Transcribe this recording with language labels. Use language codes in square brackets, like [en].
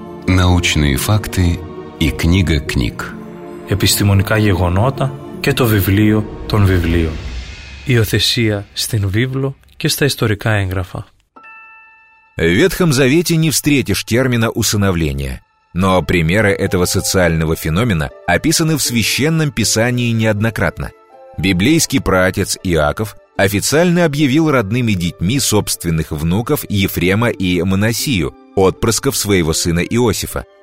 [ru] Научные факты и книга книг. [el] Επιστημονικά γεγονότα και το βιβλίο των βιβλίων. Υιοθεσία στην Βίβλο και στα ιστορικά έγγραφα. [ru] В Ветхом Завете не встретишь термина усыновления, но примеры этого социального феномена описаны в Священном Писании неоднократно. Библейский праотец Иаков официально объявил родными детьми собственных внуков Ефрема и Манасию, отпрысков своего сына Иосифа.